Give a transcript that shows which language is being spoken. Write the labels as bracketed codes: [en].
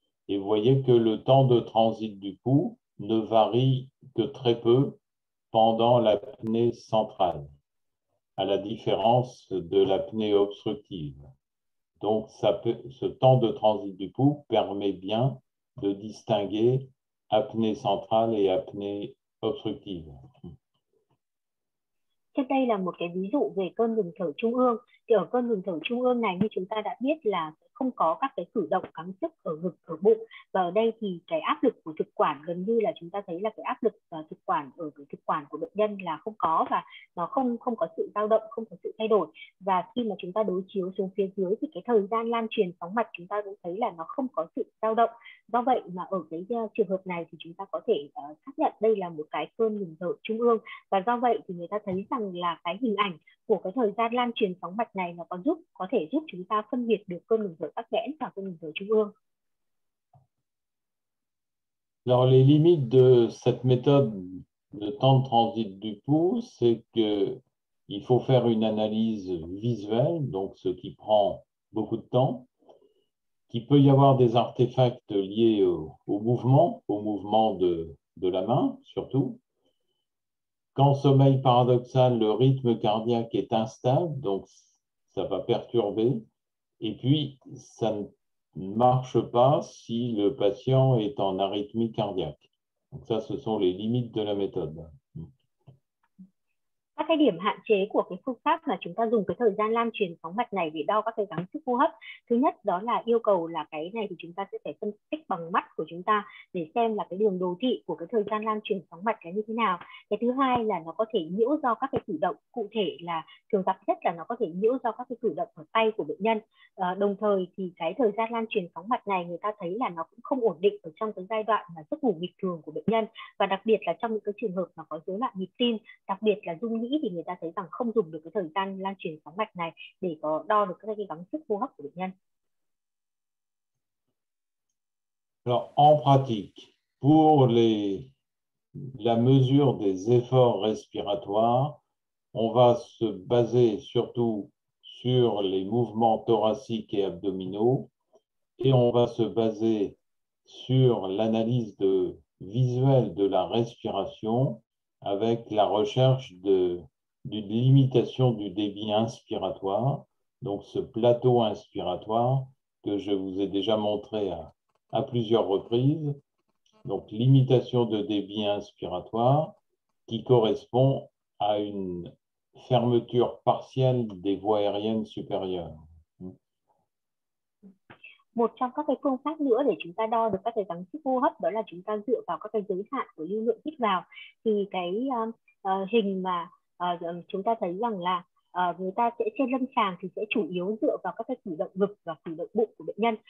[fr] Et vous voyez que le temps de transit du pouls ne varie que très peu pendant l'apnée centrale, à la différence de l'apnée obstructive. Donc, ce temps de transit du pouls permet bien de distinguer apnée centrale et apnée obstructive. [vi] Trên đây là một cái ví dụ về cơn ngừng thở trung ương. Thì ở cơn ngừng thở trung ương này, như chúng ta đã biết là không có các cái cử động gắng sức ở ngực, ở bụng. Và ở đây thì cái áp lực của thực quản gần như là chúng ta thấy là cái áp lực thực quản ở cái thực quản của bệnh nhân là không có, và nó không không có sự dao động, không có sự thay đổi. Và khi mà chúng ta đối chiếu xuống phía dưới thì cái thời gian lan truyền sóng mạch chúng ta cũng thấy là nó không có sự dao động. Do vậy mà ở cái trường hợp này thì chúng ta có thể xác nhận đây là một cái cơn ngừng thở trung ương. Và do vậy thì người ta thấy rằng là cái hình ảnh của cái thời gian lan truyền sóng mạch này nó có thể giúp chúng ta phân biệt được cơn ngừng thở tắc nghẽn và cơn ngừng thở trung ương. [fr] Alors les limites de cette méthode de temps de transit du pouls, c'est que il faut faire une analyse visuelle, donc ce qui prend beaucoup de temps, qu'il peut y avoir des artefacts liés au mouvement de la main surtout. Qu'en sommeil paradoxal, le rythme cardiaque est instable, donc ça va perturber. Et puis, ça ne marche pas si le patient est en arythmie cardiaque. Donc ça, ce sont les limites de la méthode. [vi] Các cái điểm hạn chế của cái phương pháp mà chúng ta dùng cái thời gian lan truyền sóng mạch này để đo các cái gắng sức hô hấp. Thứ nhất đó là yêu cầu là cái này thì chúng ta sẽ phải phân tích bằng mắt của chúng ta để xem là cái đường đồ thị của cái thời gian lan truyền sóng mạch là như thế nào. Cái thứ hai là nó có thể nhiễu do các cái cử động, cụ thể là thường gặp nhất là nó có thể nhiễu do các cái cử động ở tay của bệnh nhân. Đồng thời thì cái thời gian lan truyền sóng mạch này người ta thấy là nó cũng không ổn định ở trong cái giai đoạn mà giấc ngủ bình thường của bệnh nhân, và đặc biệt là trong những cái trường hợp mà có rối loạn nhịp tim, đặc biệt là dung nhĩ, thì người ta thấy rằng không dùng được cái thời gian lan truyền sóng mạch này để có đo được các cái gắng sức hô hấp của bệnh nhân. [fr] Alors, en pratique, pour la mesure des efforts respiratoires, on va se baser surtout sur les mouvements thoraciques et abdominaux, et on va se baser sur l'analyse visuelle de la respiration avec la recherche d'une limitation du débit inspiratoire, donc ce plateau inspiratoire que je vous ai déjà montré à plusieurs reprises, donc limitation de débit inspiratoire qui correspond à une fermeture partielle des voies aériennes supérieures. [vi] Một trong các cái phương pháp nữa để chúng ta đo được các cái gắng sức hô hấp đó là chúng ta dựa vào các cái giới hạn của lưu lượng hít vào. Thì cái hình mà chúng ta thấy rằng là người ta sẽ trên lâm sàng thì sẽ chủ yếu dựa vào các cái cử động ngực và cử động bụng của bệnh nhân.